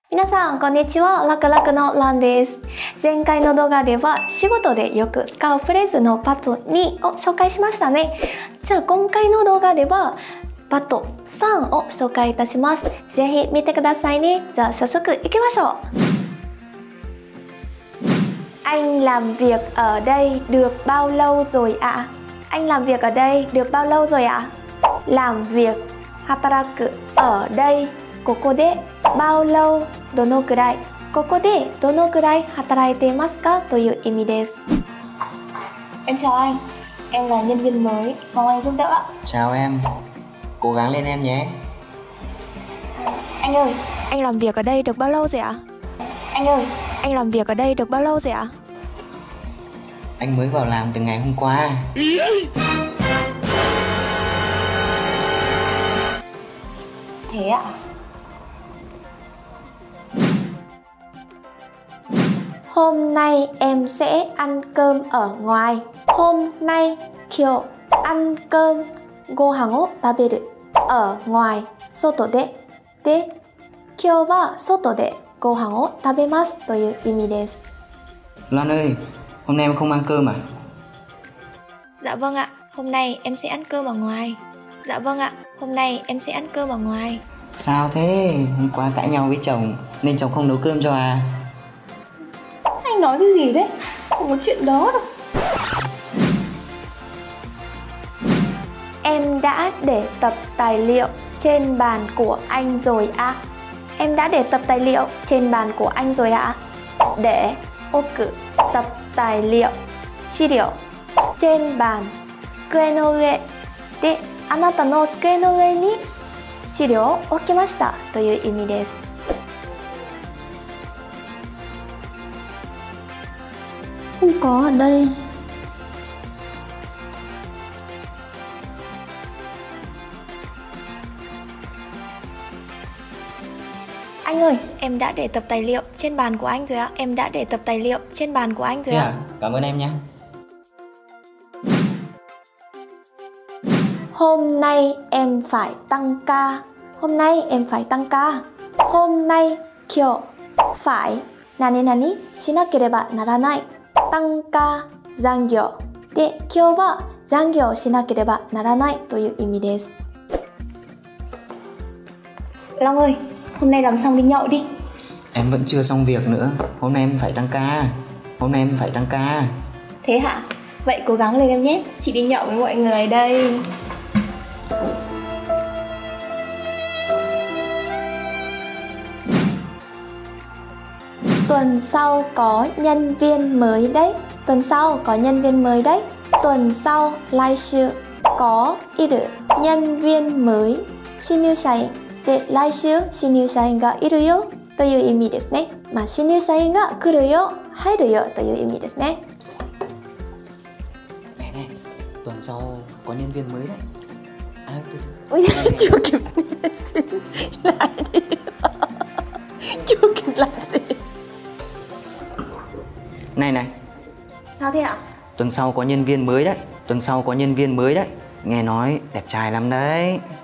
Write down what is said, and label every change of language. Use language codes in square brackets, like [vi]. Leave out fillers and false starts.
[ja] 皆さんこんにちは、ラクラクのランです。前回の動画では仕事でよく使うフレーズのパート2を紹介しましたね。じゃあ今回の動画ではパート3を紹介いたします。ぜひ見てくださいね。じゃあ早速行きましょう。 [vi] Anh làm việc ở đây được bao lâu rồi ạ? Anh làm việc ở đây được bao lâu rồi ạ? [ja] Làm việc hataraku ở đây ここで bao lâu どのくらい、ここでどのくらい働いていますかという意味です。 [vi] Em chào anh, em là nhân viên mới, mong anh giúp đỡ ạ. Chào em, cố gắng lên em nhé. Anh ơi, anh làm việc ở đây được bao lâu rồi ạ? Anh ơi, anh làm việc ở đây được bao lâu rồi ạ? Anh mới vào làm từ ngày hôm qua. Thế ạ? Hôm nay em sẽ ăn cơm ở ngoài. [ja] Hôm nay kiểu ăn cơm, ご飯を食べる, ở ngoài, 外で, で, 今日は外でご飯を食べますという意味です。 [vi] Loan ơi, hôm nay em không ăn cơm à? Dạ vâng ạ, hôm nay em sẽ ăn cơm ở ngoài. Dạ vâng ạ, hôm nay em sẽ ăn cơm ở ngoài. Sao thế? Hôm qua cãi nhau với chồng nên chồng không nấu cơm cho à? Anh nói cái gì đấy? Không có chuyện đó đâu. Em đã để tập tài liệu trên bàn của anh rồi ạ. Em đã để tập tài liệu trên bàn của anh rồi ạ. [ja] Để ok, tập tài liệu, 資料, trên bàn, 机の上, で、あなたの机の上に資料を置きましたという意味です。 [vi] không có ở đây. Anh ơi, em đã để tập tài liệu trên bàn của anh rồi ạ. Em đã để tập tài liệu trên bàn của anh rồi ạ. Cảm ơn em nhé. Hôm nay em phải tăng ca. Hôm nay em phải tăng ca. Hôm nay kiểu phải nani nani しなければならない tăng ca, 残業. [ja] で、今日は残業しなければならないという意味です。 [vi] Long ơi, hôm nay làm xong đi nhậu đi. Em vẫn chưa xong việc nữa. Hôm nay em phải tăng ca. Hôm nay em phải tăng ca. Thế hả? Vậy cố gắng lên em nhé. Chị đi nhậu với mọi người đây. Tuần sau có nhân viên mới đấy. Tuần sau có nhân viên mới đấy. Tuần sau, 来週, có 이르, nhân viên mới. 신입사원. [ja] で、来週新入社員がいるよという意味ですね。まあ、新入社員が来るよ、入るよという意味ですね。 [vi] ねえねえ、tuần sau có nhân viên mới đấy. [ja] あ、ちょっと。ちょっと。 [vi] Này này. Sao thế ạ? Tuần sau có nhân viên mới đấy. Tuần sau có nhân viên mới đấy. Nghe nói đẹp trai lắm đấy.